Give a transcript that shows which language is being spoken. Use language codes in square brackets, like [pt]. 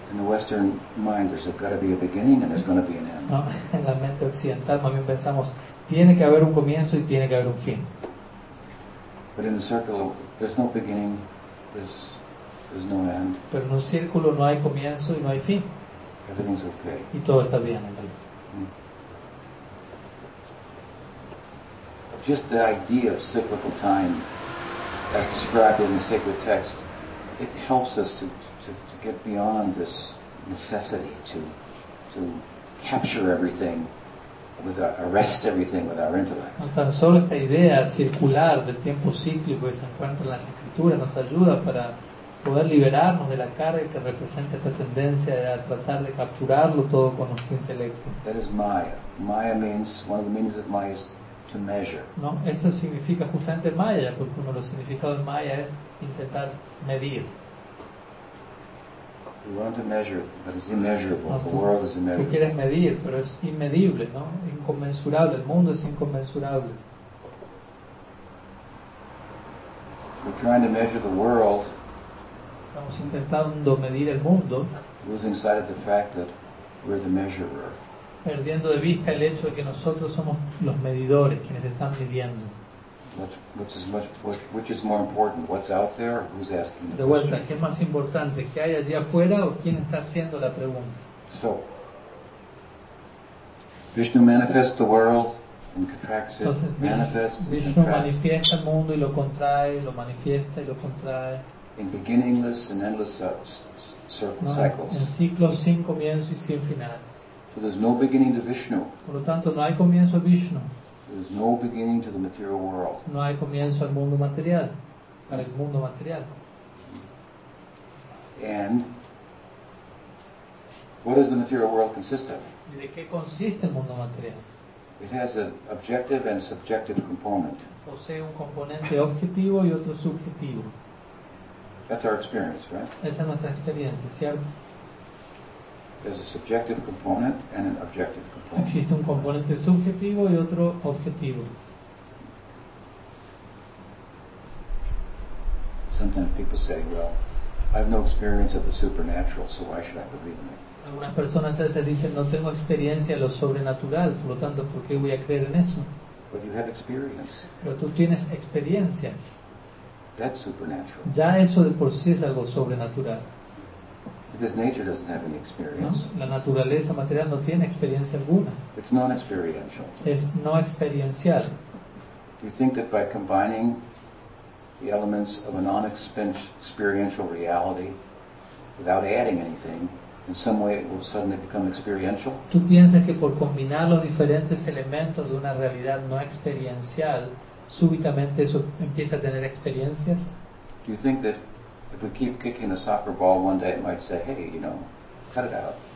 [en] In the Western mind, there's got to be a beginning and there's going to be an end. [es] No, en la mente occidental más bien pensamos tiene que haber un comienzo y tiene que haber un fin. [en] But in the circle, there's no beginning, there's no end. [es] Pero en un círculo no hay comienzo y no hay fin. [en] Everything's okay. [es] Y todo está bien allí. [en] Just the idea of cyclical time, as described in the sacred text, it helps us to get beyond this necessity to capture everything, with our, arrest everything with our intellect. [es] No tan solo esta idea circular del tiempo cíclico que se encuentra en las escrituras nos ayuda para poder liberarnos de la carga que representa esta tendencia de tratar de capturarlo todo con nuestro intelecto. [en] That is Maya. Maya means, one of the meanings of Maya is to measure. [es] No, esto significa justamente Maya, porque uno de los significados de Maya es intentar medir. [en] We want to measure, but it's immeasurable. No, the world is immeasurable. [es] Tú quieres medir, pero es inmedible, ¿no? Inconmensurable. El mundo es inconmensurable. [en] We're trying to measure the world. [es] Estamos intentando medir el mundo. [en] Losing sight of the fact that we're the measurer. [es] Perdiendo de vista el hecho de que nosotros somos los medidores, quienes están midiendo. [en] Which is more important? What's out there? Who's asking the [es] De vuelta, [en] question? [es] ¿Qué es más importante? ¿Qué hay allá afuera o quién está haciendo la pregunta? [en] So, Vishnu manifests the world and contracts it. [es] Entonces, Vishnu manifiesta el mundo y lo contrae, lo manifiesta y lo contrae. [en] In beginningless and endless cycles. [es] En ciclos sin comienzo y sin final. [en] So there's no beginning to Vishnu. [es] Por lo tanto, no hay comienzo a Vishnu. [en] There's no beginning to the material world. [es] No hay comienzo al mundo material, para el mundo material. [en] And what does the material world consist of? [es] ¿De qué consiste el mundo material? [en] It has an objective and subjective component. [es] Posee un componente objetivo y otro subjetivo. [en] That's our experience, right? [es] Esa es nuestra experiencia, ¿cierto? [en] There's a subjective component and an objective component. [es] Existe un componente subjetivo y otro objetivo. [en] Sometimes people say, well, I have no experience of the supernatural, so why should I believe in it? [es] Algunas personas a veces dicen, no tengo experiencia de lo sobrenatural, por lo tanto, ¿por qué voy a creer en eso? [en] But you have experience. [es] Pero tú tienes experiencias. [en] That's supernatural. [es] Ya eso de por sí es algo sobrenatural. [en] Because nature doesn't have any experience. [es] No, la naturaleza material no tiene experiencia alguna. [en] It's non-experiential. [es] Es no experiencial. [en] Do you think that by combining the elements of a non-experiential reality without adding anything, in some way it will suddenly become experiential? [es] ¿Tú piensas que por combinar los diferentes elementos de una realidad no experiencial, súbitamente eso empieza a tener experiencias? [en] Do you think that if we keep kicking the soccer ball one day it might say, hey, you know, cut it out?